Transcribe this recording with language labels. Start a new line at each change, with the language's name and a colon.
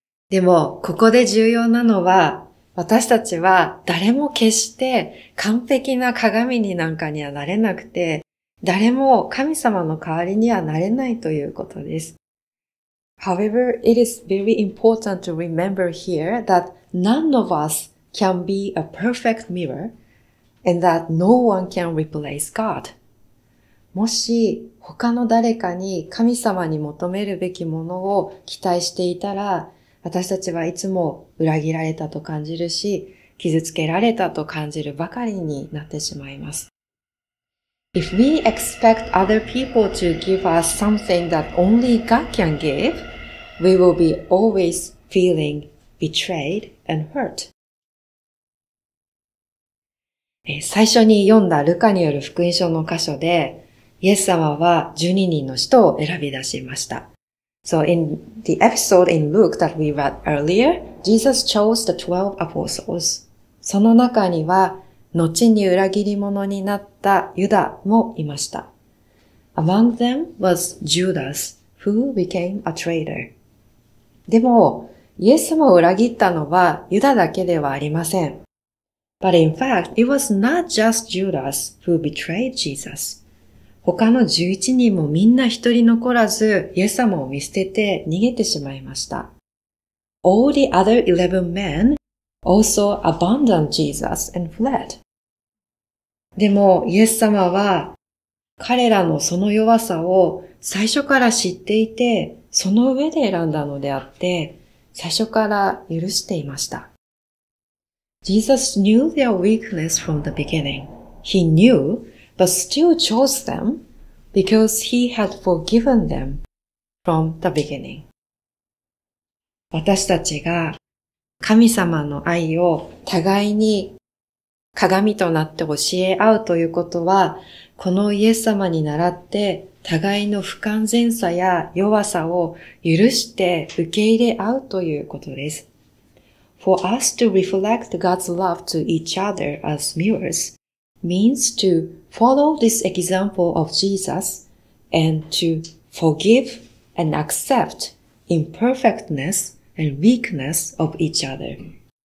Japanese: でも、ここで重要なのは、私たちは誰も決して完璧な鏡になんかにはなれなくて、誰も神様の代わりにはなれないということです。
English: However, it is very important to remember here that none of us can be a perfect mirror and that no one can replace God.
Japanese: もし他の誰かに神様に求めるべきものを期待していたら、私たちはいつも裏切られたと感じるし、傷つけられたと感じるばかりになってしまいます。
English: If we expect other people to give us something that only God can give, we will be always feeling betrayed and hurt.
Japanese: 最初に読んだルカによる福音書の箇所で、イエス様は12人の使徒を選び出しました。
English: So in the episode in Luke that we read earlier, Jesus chose the 12 apostles.
Japanese: その中には、後に裏切り者になったユダもいました。
English: Among them was Judas, who became a traitor.
Japanese: でも、イエス様を裏切ったのはユダだけではありません。
English: But in fact, it was not just Judas who betrayed Jesus.
Japanese: 他の11人もみんな一人残らず、イエス様を見捨てて逃げてしまいました。
English: All the other 11 men,Also abandoned Jesus and fled.
Japanese: でも、イエス様は彼らのその弱さを最初から知っていて、その上で選んだのであって、最初から許していました。
English: Jesus knew their weakness from the beginning. He knew, but still chose them because he had forgiven them from the beginning.
Japanese: 私たちが神様の愛を互いに鏡となって教え合うということは、このイエス様に習って互いの不完全さや弱さを許して受け入れ合うということです。
English: For us to reflect God's love to each other as mirrors means to follow this example of Jesus and to forgive and accept imperfectnessand weakness of each other.